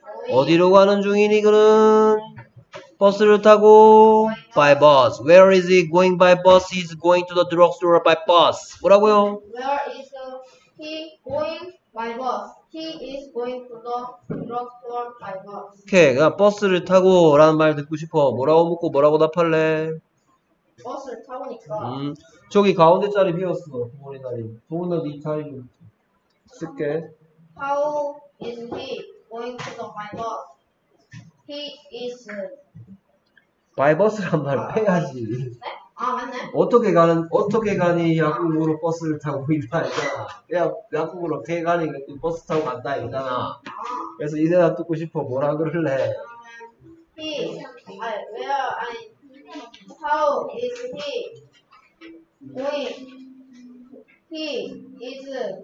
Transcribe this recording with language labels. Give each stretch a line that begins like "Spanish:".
Korean: 어디로 가는 중이니 그는? 버스를 타고
English: by bus. Where is he going by bus? He is going to the drugstore by bus.
Korean: 뭐라고요?
English: Where is he going by bus? He is going to the drugstore by bus.
Korean: 오케이. Okay, 그러니까 버스를 타고라는 말 듣고 싶어. 뭐라고 묻고 뭐라고 답할래? 버스를 타고니까. 저기 가운데 자리 비었어. 머리 자리. 좋은 날 이 자리 쓸게.
English: How is he going to the by bus? He is.
Korean: 바이버스란 말 빼야지. 네? 아 맞네. 어떻게 가는 어떻게 가니 약국으로 버스를 타고 있다 이잖아. 약국으로 걔 가니 버스 타고 간다 이잖아. 그래서 이 대답 듣고 싶어 뭐라 그럴래?
English: He. 아, where? 아니. How is he going to the drugstore? He is.